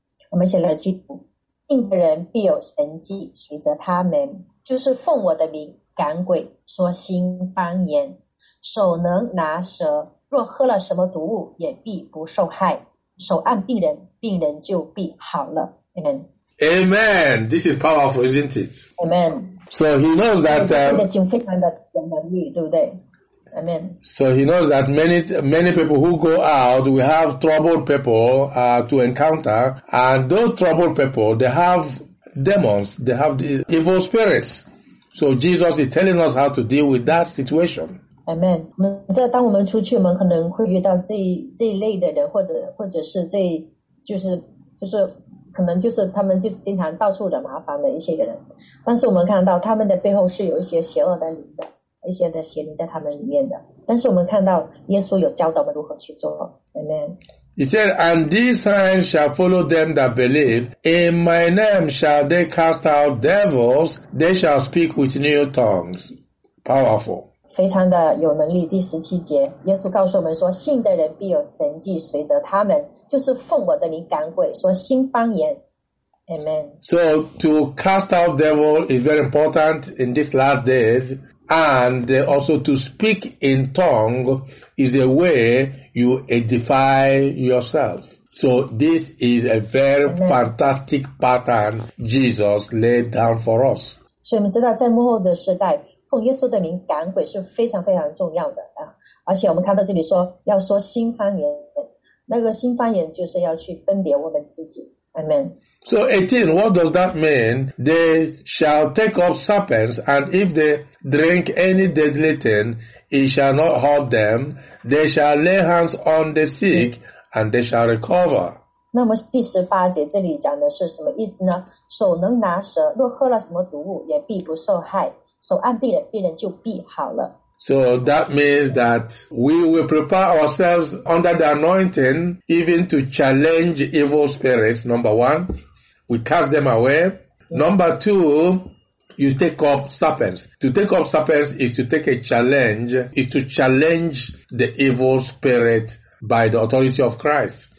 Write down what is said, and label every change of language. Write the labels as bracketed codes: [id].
[zh] 我们先来去读，信的人必有神迹随着他们，就是奉我的名赶鬼，说新方言，手能拿蛇。若喝了什么毒物也必不受害，手按病人，病人就必好了。 [en] Amen. Amen. This is powerful, isn't it? Amen. So he knows that. [zh] 这个经非常的有能力，对不对？ [en] Amen. So he knows that many people who go out, we have troubled people to encounter, and those troubled people, they have demons, they have the evil spirits. So Jesus is telling us how to deal with that situation. Amen. [zh] 我们在当我们出去，我们可能会遇到这一类的人，或者是这就是可能就是他们就是经常到处惹麻烦的一些人。但是我们看到他们的背后是有一些邪恶的灵的，一些的邪灵在他们里面的。但是我们看到耶稣有教导我们如何去做。 [en] Amen. He said, "And these signs shall follow them that believe. In my name shall they cast out devils. They shall speak with new tongues." Powerful. [zh] 非常的有能力。第十七节，耶稣告诉我们说，信的人必有神迹随着他们，就是奉我的名赶鬼，说新方言。 [en] Amen. So to cast out devil is very important in these last days, and also to speak in tongue is a way you edify yourself. So this is a very Amen. Fantastic pattern Jesus laid down for us. [zh] 所以我们知道，在幕后的时代。奉耶稣的名赶鬼是非常非常重要的啊！而且我们看到这里说要说新方言，那个新方言就是要去分别我们自己。 [en] Amen. So 18, what does that mean? They shall take up serpents, and if they drink any deadly thing, it shall not hurt them. They shall lay hands on the sick, and they shall recover. [zh] 那么第十八节这里讲的是什么意思呢？手能拿蛇，若喝了什么毒物，也必不受害。手按病人，病人就必好了。 [en] So that means that we will prepare ourselves under the anointing even to challenge evil spirits. Number one, we cast them away. Number two, you take up serpents. To take up serpents is to take a challenge, is to challenge the evil spirit by the authority of Christ.